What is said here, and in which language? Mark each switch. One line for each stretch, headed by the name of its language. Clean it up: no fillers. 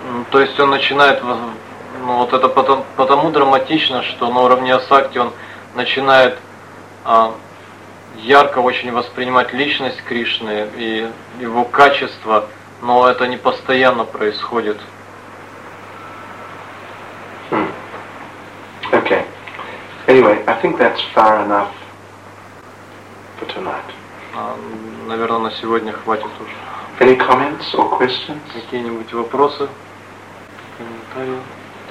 Russian: То есть он начинает, ну вот это потому драматично, что на уровне асакти он начинает ярко очень воспринимать личность Кришны и его качество, но это не постоянно происходит.
English: Okay. Anyway, I think that's far enough for tonight.
Russian: Наверное, на сегодня хватит уже.
English: Any comments or questions?
Russian: Какие-нибудь вопросы? Комментарии?